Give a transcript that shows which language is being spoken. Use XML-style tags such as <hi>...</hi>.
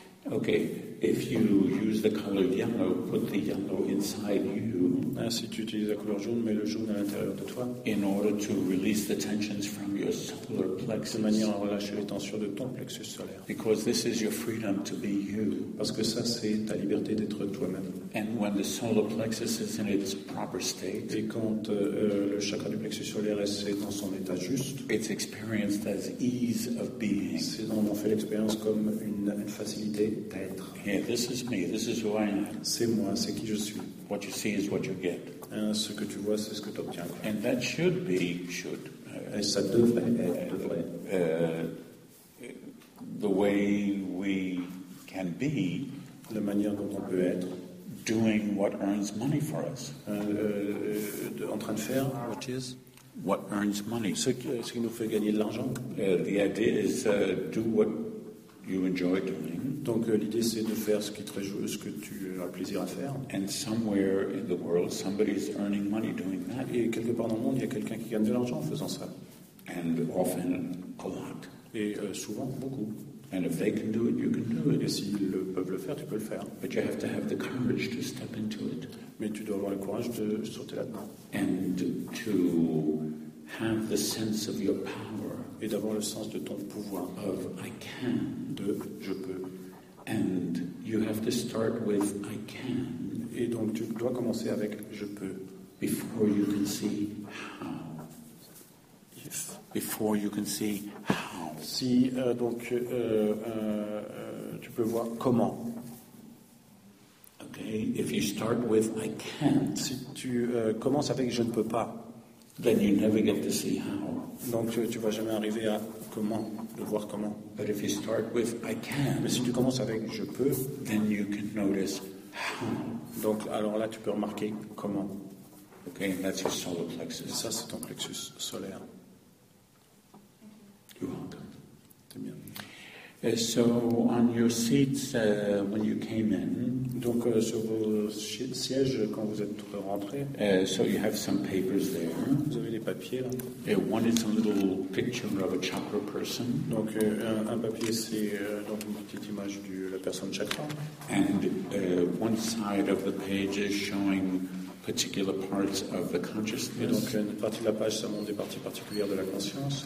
<en>Okay, if you use the color yellow, put the yellow inside you.</en> <fr>Ah, si tu utilises la couleur jaune, mets le jaune à l'intérieur de toi.</fr> <en>In order to release the tensions from your solar plexus.</en> <fr>De manière à relâcher les tensions de ton plexus solaire.</fr> <en>Because this is your freedom to be you.</en> <fr>Parce que ça, c'est ta liberté d'être toi-même.</fr> <en>And when the solar plexus is in its proper state.</en> <fr>Et quand le chakra du plexus solaire est dans son état juste.</fr> <en>It's experienced as ease of being.</en> <fr>C'est donc on fait l'expérience comme une facilité d'être.</fr> <en>Yeah, this is me. This is who I am.</en> <fr>C'est moi. C'est qui je suis.</fr> <en>What you see is what you get.</en> <fr>Ce que tu vois, c'est ce que tu obtiens.</fr> <en>And that should be, should.</en> <fr>Et ça devrait être.</fr> <en>The way we can be.</en> <fr>La manière dont on peut être.</fr> <en>Doing what earns money for us.</en> <fr>En train de faire.</fr> <en>What is? What earns money.</en> <fr>Ce qui nous fait gagner de l'argent.</fr> <en>The idea is do what you enjoy doing.</en> <fr>Donc l'idée c'est de faire ce qui est très joyeux, ce que tu as plaisir à faire.</fr> <en>And somewhere in the world, somebody is earning money doing that.</en> <fr>Et quelque part dans le monde, il y a quelqu'un qui gagne de l'argent en faisant ça.</fr> <en>And often a lot.</en> <fr>Et souvent beaucoup.</fr> <en>And if they can do it, you can do it.</en> <fr>Et s'ils peuvent le faire, tu peux le faire.</fr> <en>But you have to have the courage to step into it.</en> <fr>Mais tu dois avoir le courage de sauter là-dedans.</fr> <en>And to have the sense of your power.</en> <fr>Et d'avoir le sens de ton pouvoir.</fr> <en>Of I can.</en> <fr>De je peux.</fr> <en>And you have to start with I can.</en> <fr>Et donc tu dois commencer avec je peux.</fr> <en>Before you can see how. Yes. Before you can see how.</en> <fr>Si donc tu peux voir comment.</fr> <en>Okay. If you start with I can't.</en> <fr>Si tu commences avec je ne peux pas.</fr> <en>Then you never get to see how.</en> <fr>Donc tu vas jamais arriver à comment, de voir comment.</fr> <en>But if you start with I can.</en> <fr>Mais si tu commences avec je peux.</fr> <en>Then you can notice how.</en> <fr>Donc alors là tu peux remarquer comment.</fr> <en>Okay, and that's your solar plexus.</en> <fr>Et ça c'est ton plexus solaire.</fr> <en>You're welcome.</en> <fr>T'es bien.</fr> <en>So on your seats when you came in.</en> <fr>Donc sur vos sièges quand vous êtes rentré.</fr> <en>So you have some papers there.</en> <fr>Vous avez des papiers là.</fr> <en>One is a little picture of a chakra person.</en> <fr>Donc un papier c'est donc une petite image de la personne chakra.</fr> <en>And one side of the page is showing particular parts of the consciousness.</en> <fr>Et donc une partie de la page ça montre des parties particulières de la conscience.</fr>